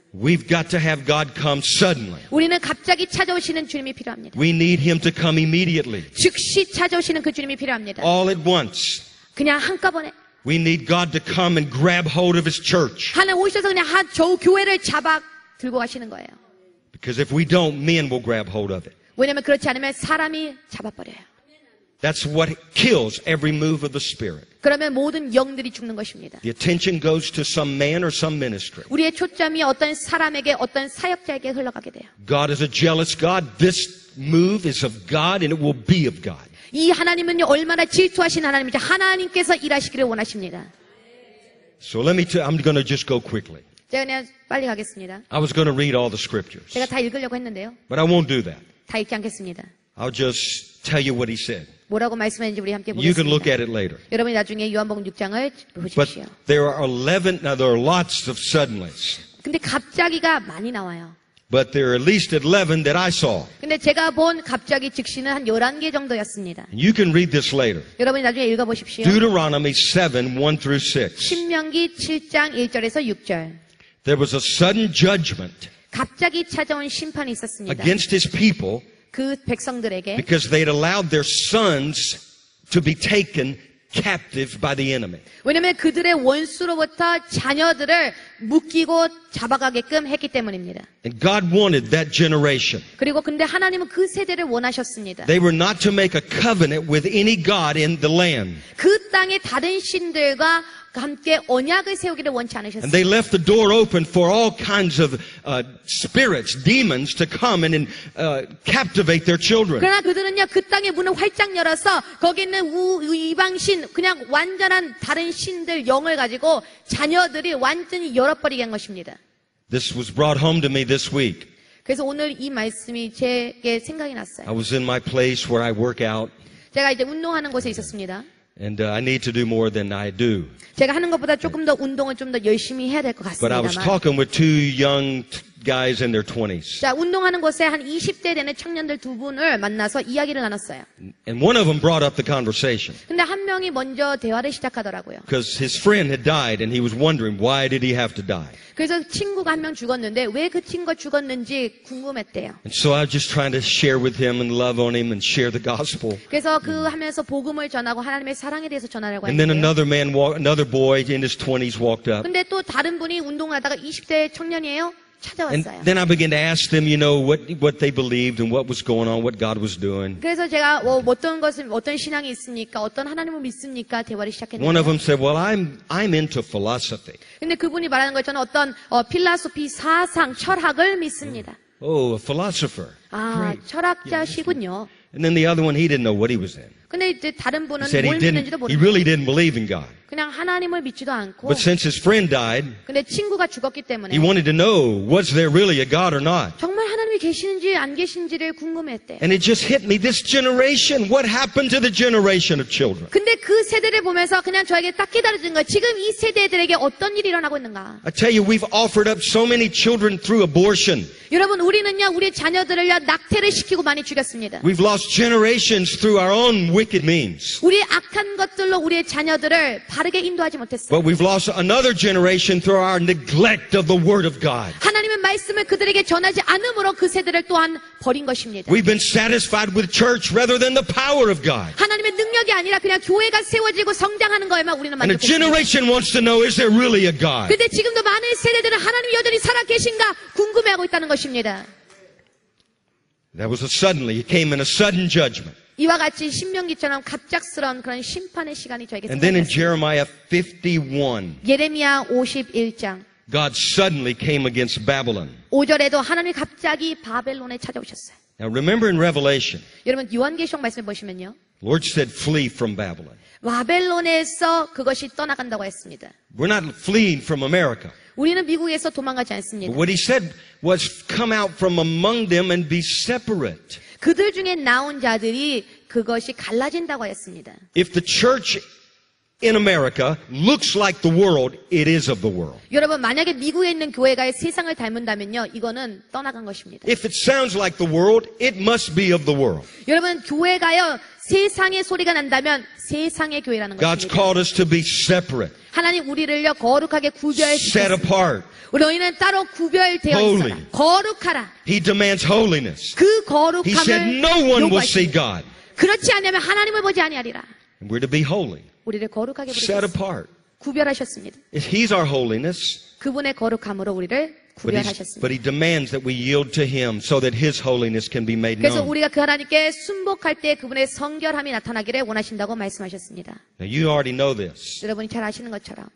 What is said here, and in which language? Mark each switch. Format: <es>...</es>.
<en>We've got to have God come suddenly.</en> <ko>우리는 갑자기 찾아오시는 주님이 필요합니다.</ko> <en>We need Him to come immediately.</en> <ko>즉시 찾아오시는 그 주님이 필요합니다.</ko> <en>All at once.</en> <ko>그냥 한꺼번에.</ko> <en>We need God to come and grab hold of His church.</en> <ko>하나님 오셔서 그냥 한 저 교회를 잡아 들고 가시는 거예요.</ko> <en>Because if we don't, men will grab hold of it.</en> <ko>왜냐면 그렇지 않으면 사람이 잡아버려요.</ko> <en>That's what kills every move of the spirit.</en> <ko>그러면 모든 영들이 죽는 것입니다.</ko> <en>The attention goes to some man or some ministry.</en> <ko>우리의 초점이 어떤 사람에게, 어떤 사역자에게 흘러가게 돼요.</ko> <en>God is a jealous God. This move is of God, and it will be of God.</en> <ko>이 하나님은요 얼마나 질투하신 하나님인지 하나님께서 일하시기를 원하십니다.</ko> <en>So let me. I'm going to just go quickly.</en> <ko>제가 그냥 빨리 가겠습니다.</ko> <en>I was going to read all the scriptures.</en> <ko>제가 다 읽으려고 했는데요.</ko> <en>But I won't do that.</en> <ko>다 읽지 않겠습니다.</ko> <en>I'll just tell you what he said.</en> <ko>뭐라고 말씀했는지 우리 함께 보시죠.</ko> <en>You can look at it later.</en> <ko>여러분이 나중에 요한복음 6장을 보십시오.</ko> <en>But there are 11. Now there are lots of suddenlies.</en> <ko>근데 갑자기가 많이 나와요.</ko> <en>But there are at least 11 that I saw.</en> <ko>근데 제가 본 갑자기 즉시는 한 11개 정도였습니다.</ko> <en>You can read this later.</en> <ko>여러분이 나중에 읽어보십시오.</ko> <en>Deuteronomy 7:1-6.</en> <ko>신명기 7장 1절에서 6절.</ko> <en>There was a sudden judgment</en> <ko>갑자기 찾아온 심판이 있었습니다.</ko> <en>Against his people</en> <ko>그 백성들에게</ko> <en>because they had allowed their sons to be taken captive by the enemy.</en> <ko>왜냐하면 그들의 원수로부터 자녀들을 묶이고 잡아가게끔 했기 때문입니다.</ko> <en>And God wanted that generation.</en> <ko>그리고 근데 하나님은 그 세대를 원하셨습니다.</ko> <en>They were not to make a covenant with any god in the land.</en> <ko>그 땅의 다른 신들과 함께 언약을 세우기를 원치 않으셨어요.</ko> <en>And they left the door open for all kinds of spirits, demons to come and captivate their children.</en> <ko>그러나 그들은요, 그 땅의 문을 활짝 열어서 거기 있는 이방신, 그냥 완전한 다른 신들 영을 가지고 자녀들이 완전히 열어버리게 한 것입니다.</ko> <en>This was brought home to me this week.</en> <ko>그래서 오늘 이 말씀이 제게 생각이 났어요.</ko> <en>I was in my place where I work out.</en> <ko>제가 이제 운동하는 곳에 있었습니다.</ko> <en>And I need to do more than I do.</en> <ko>제가 하는 것보다 조금 더 운동을 좀 더 열심히 해야 될 것 같습니다.</ko> <en>But I was talking with two young guys in their 20s.</en> <ko>자, 운동하는 곳에 한 20대 되는 청년들 두 분을 만나서 이야기를 나눴어요.</ko> <en>And one of them brought up the conversation.</en> <ko>근데 한 명이 먼저 대화를 시작하더라고요.</ko> <en>Because his friend had died and he was wondering why did he have to die.</en> <ko>그래서 친구가 한 명 죽었는데 왜 그 친구가 죽었는지 궁금했대요.</ko> <en>And so I was just trying to share with him and love on him and share the gospel.</en> <ko>그래서 그 하면서 복음을 전하고 하나님의 사랑에 대해서 전하려고 했는데.</ko> <en>And then another man walked, another boy in his 20s walked up.</en> <ko>근데 또 다른 분이 운동하다가 20대 청년이에요.</ko> <en>And then I began to ask them, you know, what they believed and what was going on, what God was doing.</en> <ko>그래서 제가 어떤 것은 어떤 신앙이 있습니까? 어떤 하나님을 믿습니까? 대화를 시작했는데.</ko> <en>One of them said, "Well, I'm into philosophy."</en> <ko>근데 그분이 말하는 것 저는 어떤 필라소피 사상 철학을 믿습니다.</ko> <en>Oh, a philosopher.</en> <ko>아, 철학자시군요.</ko> <en>And then the other one, he didn't know what he was in.</en> <ko>근데 이제 다른 분은 뭘 믿는지도 모르는데.</ko> <en>He really didn't believe in God.</en> <ko>그냥 하나님을 믿지도 않고.</ko> <en>But since his friend died,</en> <ko>근데 친구가 죽었기 때문에.</ko> <en>He wanted to know was there really a God or not.</en> <ko>정말 하나님이 계시는지 안 계신지를 궁금했대.</ko> <en>And it just hit me. This generation, what happened to the generation of children?</en> <ko>근데 그 세대를 보면서 그냥 저에게 딱 깨달아진 거. 지금 이 세대들에게 어떤 일이 일어나고 있는가?</ko> <en>I tell you, we've offered up so many children through abortion.</en> <ko>여러분, 우리는요 우리 자녀들을요 낙태를 시키고 많이 죽였습니다.</ko> <en>We've lost generations through our own wicked means.</en> <ko>우리 악한 것들로 우리의 자녀들을 바르게 인도하지 못했어요.</ko> <en>But we've lost another generation through our neglect of the word of God.</en> <ko>하나님의 말씀을 그들에게 전하지 않음으로 그 세대를 또한 버린 것입니다.</ko> <en>We've been satisfied with church rather than the power of God.</en> <ko>하나님의 능력이 아니라 그냥 교회가 세워지고 성장하는 거에만 우리는 만족했어요.</ko> <en>And a generation wants to know is there really a God?</en> <ko>근데 지금도 많은 세대들은 하나님이 여전히 살아 계신가 궁금해하고 있다는 것입니다.</ko> <en>That was a suddenly. It came in a sudden judgment.</en> <ko>이와 같이 신명기처럼 갑작스러운 그런 심판의 시간이 저에게 생겼습니다. 예레미야 51장</ko> <en>God suddenly came against Babylon.</en> <ko>5절에도 하나님이 갑자기 바벨론에 찾아오셨어요.</ko> <en>Now remember in Revelation.</en> <ko>여러분 요한계시록 말씀을 보시면요.</ko> <en>Lord said flee from Babylon.</en> <ko>바벨론에서 그것이 떠나간다고 했습니다.</ko> <en>We're not fleeing from America.</en> <ko>우리는 미국에서 도망가지 않습니다.</ko> <en>But what he said was come out from among them and be separate.</en> <ko>그들 중에 나온 자들이 그것이 갈라진다고 하였습니다.</ko> <en>If the church in America looks like the world, it is of the world.</en> <ko>여러분 만약에 미국에 있는 교회가 세상을 닮은다면요, 이거는 떠나간 것입니다.</ko> <en>If it sounds like the world, it must be of the world.</en> <ko>여러분 교회가요 세상의 소리가 난다면 세상의 교회라는</ko> <en>God's</en> <ko>것입니다.</ko> <en>God's called us to be separate.</en> <ko>하나님 우리를요 거룩하게 구별시켰습니다.</ko> <en>Set apart.</en> <ko>너희는 따로 구별되어 있어라. 거룩하라.</ko> <en>He demands holiness.</en> <ko>그 거룩함을</ko> <en>He said no one</en> <ko>요구하십니다.</ko> <en>Will see God.</en> <ko>그렇지 않으면 하나님을 보지 아니하리라.</ko> <en>We're to be holy.</en> <ko>우리를 거룩하게</ko> <en>Set apart.</en> <ko>구별하셨습니다.</ko> <en>He's our holiness.</en> <ko>그분의 거룩함으로 우리를 구별하셨습니다.</ko> <en>But he demands that we yield to him so that his holiness can be made known.</en> <ko>그래서 우리가 그 하나님께 순복할 때 그분의 성결함이 나타나기를 원하신다고 말씀하셨습니다.</ko> <en>Now you already know this.</en> <ko>여러분이 잘 아시는 것처럼</ko>